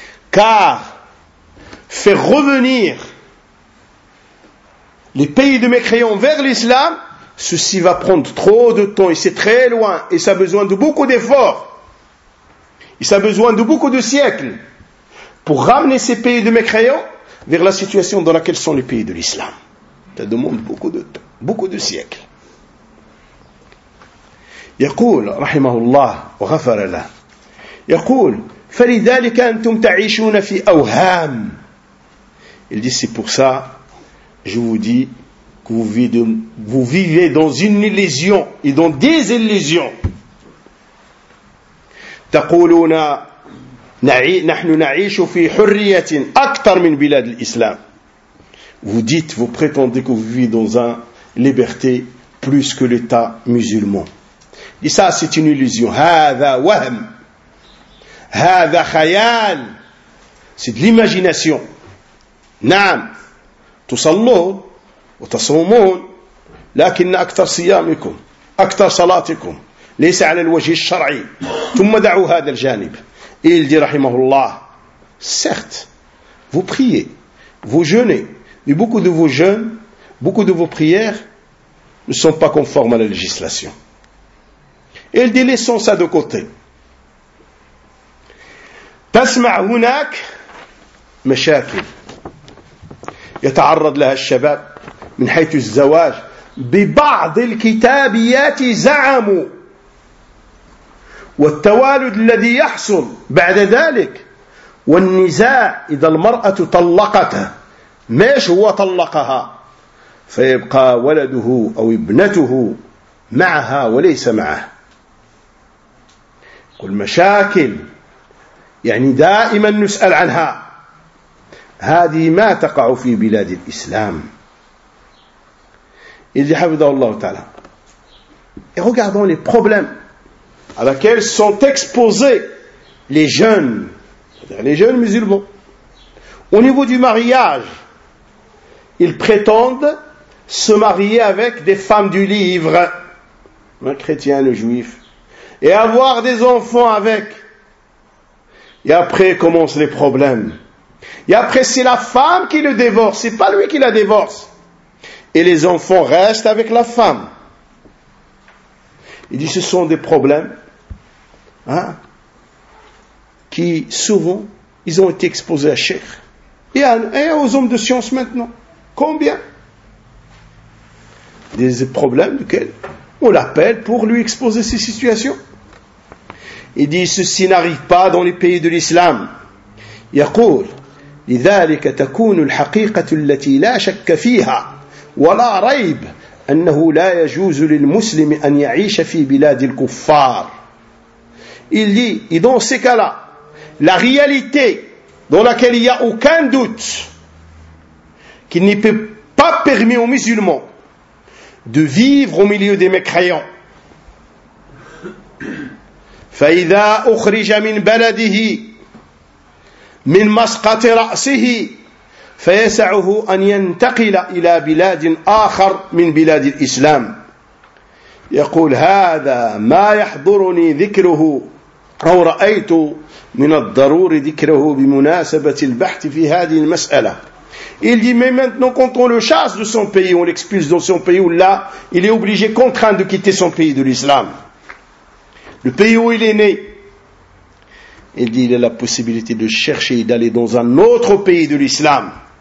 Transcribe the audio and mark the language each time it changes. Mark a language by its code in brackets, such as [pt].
[fr] Car, faire revenir les pays de mécréants vers l'islam, ceci va prendre trop de temps, et c'est très loin, et ça a besoin de beaucoup d'efforts, et ça a besoin de beaucoup de siècles, pour ramener ces pays de mécréants vers la situation dans laquelle sont les pays de l'islam. Ça demande beaucoup de temps, beaucoup de siècles. [ar] يقول رحمه الله وغفر له يقول فلذلك أنتم تعيشون في أوهام. [fr] Il dit, c'est pour ça, je vous dis, que vous vivez dans une illusion et dans des illusions. [ar] تقولون نحن نعيش في حرية أكثر من بلاد الإسلام. [fr] Vous dites, vous prétendez que vous vivez dans une liberté plus que l'État musulman. Et ça, c'est une illusion. [ar] هذا وهم. هذا خيال. [fr] C'est de l'imagination. نعم. [ar] تصلون وتصومون لكن أكثر صيامكم أكثر صلاتكم ليس على الوجه الشرعي ثم دعوا هذا الجانب. [fr] Il dit, [ar] رحمه الله, [fr] certes, vous priez, vous jeûnez, mais beaucoup de vos jeûnes, beaucoup de vos prières ne sont pas conformes à la législation. Il dit, laissons ça de côté. [ar] تسمع هناك مشاكل يتعرض لها الشباب من حيث الزواج ببعض الكتابيات زعموا والتوالد الذي يحصل بعد ذلك والنزاع إذا المرأة طلقته ماش هو طلقها فيبقى ولده أو ابنته معها وليس معه كل مشاكل يعني دائما نسأل عنها هذه ما تقع في بلاد الإسلام. [fr] Il dit, Habibullah Ta'ala. Et regardons les problèmes à laquelle sont exposés les jeunes, c'est-à-dire les jeunes musulmans. Au niveau du mariage, ils prétendent se marier avec des femmes du livre, un chrétien, un juif, et avoir des enfants avec. Et après commencent les problèmes. Et après, c'est la femme qui le divorce, c'est pas lui qui la divorce. Et les enfants restent avec la femme. Il dit, ce sont des problèmes, hein, qui souvent, ils ont été exposés à Cheikh. Et aux hommes de science maintenant. Combien? Des problèmes duquels on l'appelle pour lui exposer ces situations. Il dit, ceci n'arrive pas dans les pays de l'islam. [ar] Yaqul, لذلك تكون الحقيقة التي لا شك فيها ولا ريب أنه لا يجوز للمسلم أن يعيش في بلاد الكفار. [fr] Il dit, et dans ces cas-là, la réalité dans laquelle il n'y a aucun doute qu'il n'est pas permis aux musulmans de vivre au milieu des mécréants. [ar] فإذا أخرج من بلده من مسقط رأسه فيسعه أن ينتقل إلى بلاد آخر من بلاد الإسلام. يقول هذا ما يحضرني ذكره أو رأيت من الضروري ذكره بمناسبة البحث في هذه المسألة. [fr] Il dit, mais maintenant quand on le chasse de son pays, on l'expulse dans son pays, où là il est obligé, contraint de quitter son pays de l'islam, le pays où il est né. Il dit, il a la possibilité de chercher et d'aller dans un autre pays de l'islam.